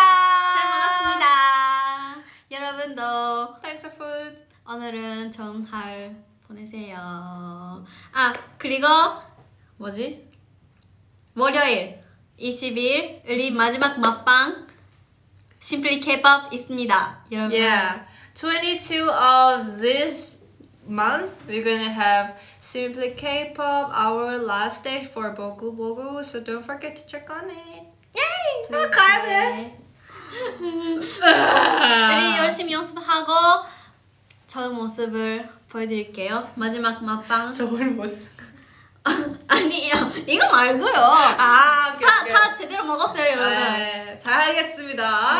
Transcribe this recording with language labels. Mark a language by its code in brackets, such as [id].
[ko] 잘 먹었습니다. 여러분도 [en] Thanks for food. [ko] 오늘은 좋은 하루 보내세요. 아 그리고 뭐지? 월요일 20일 우리 마지막 맛빵 심플리 케이팝 있습니다. 여러분. [en] Yeah. 22 of this month, we're gonna have Simply K-pop, our last day for Boku Boku, so don't forget to check on it. Yay! Please okay. Try. [ko] 우리 열심히 연습하고 좋은 모습을 보여드릴게요. 마지막 맛빵. 좋은 모습. 아니요, 이거 말고요. 아, 다 제대로 먹었어요, 여러분. 네, 잘 하겠습니다.